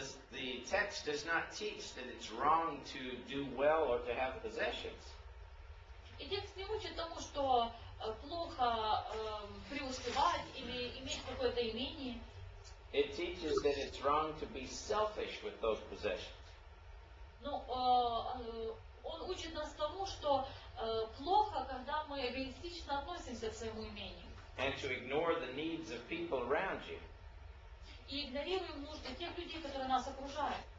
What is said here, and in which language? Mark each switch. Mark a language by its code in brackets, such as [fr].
[en] The text does not teach that it's wrong to do well or to have possessions. [ru] И текст не учит тому, что плохо преуспевать или иметь какое-то имение. [en] It teaches that it's wrong to be selfish with those possessions. [ru] Но он учит нас тому, что плохо, когда мы эгоистично относимся к своему имению. [en] And to ignore the needs of people around you. [ru] И игнорируем нужды тех людей, которые нас окружают.